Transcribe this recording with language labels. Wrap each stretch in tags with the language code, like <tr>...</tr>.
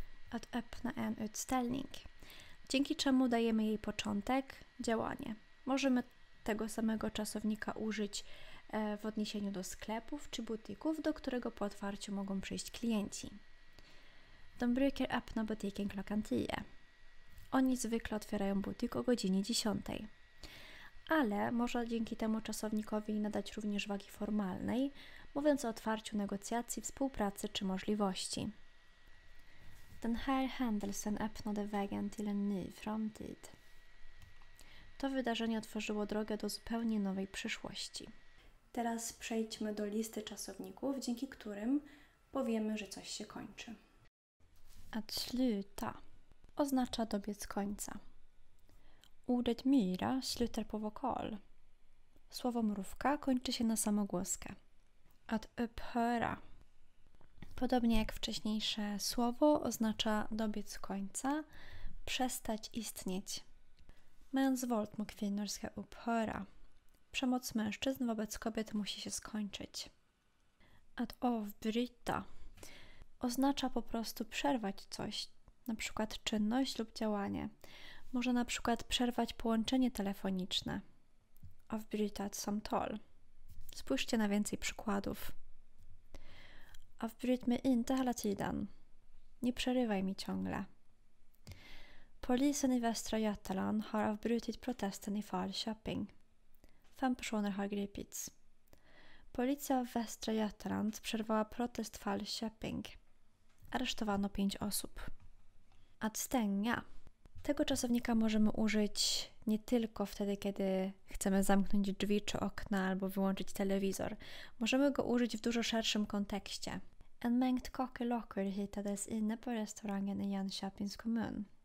<sv>Att öppna en utställning.</sv> <pl>Dzięki czemu dajemy jej początek, działanie. Możemy tego samego czasownika użyć w odniesieniu do sklepów czy butików, do którego po otwarciu mogą przyjść klienci.</pl> <sv>De brukar öppna butiken klockan 10.</sv> <pl>Oni zwykle otwierają butik o godzinie 10. Ale można dzięki temu czasownikowi nadać również wagi formalnej, mówiąc o otwarciu negocjacji, współpracy czy możliwości.</pl> <sv>Den här händelsen öppnade vägen till en ny framtid.</sv> <pl>To wydarzenie otworzyło drogę do zupełnie nowej przyszłości. Teraz przejdźmy do listy czasowników, dzięki którym powiemy, że coś się kończy. Att sluta oznacza dobiec końca.</pl> <sv>Ordet myra slutar på vokal.</sv> <pl>Słowo mrówka kończy się na samogłoskę.</pl> <sv>Att upphöra.</sv> <pl>Podobnie jak wcześniejsze słowo oznacza dobiec końca, przestać istnieć.</pl> <sv>Mäns våld mot kvinnor ska upphöra.</sv> <pl>Przemoc mężczyzn wobec kobiet musi się skończyć.</pl> <sv>Att avbryta</sv> <pl>oznacza po prostu przerwać coś, na przykład czynność lub działanie. Może na przykład przerwać połączenie telefoniczne.</pl> <sv>Avbryta ett samtal.</sv> <pl>Spójrzcie na więcej przykładów.</pl> <sv>Avbryt mig inte hela tiden.</sv> <pl>Nie przerywaj mi ciągle.</pl> <sv>Polisen i Västra Götaland har avbrutit protesten i Falköping. 5 personer har gripits.</sv> <pl>Policja w Västra Götaland przerwała protest Falköping. Aresztowano 5 osób.</pl> <sv>Att stänga.</sv> <pl>Tego czasownika możemy użyć nie tylko wtedy, kiedy chcemy zamknąć drzwi czy okna albo wyłączyć telewizor. Możemy go użyć w dużo szerszym kontekście.</pl> <sv>En mängd kakelakor hittades inne på restaurangen i Jönköpings kommun.</sv>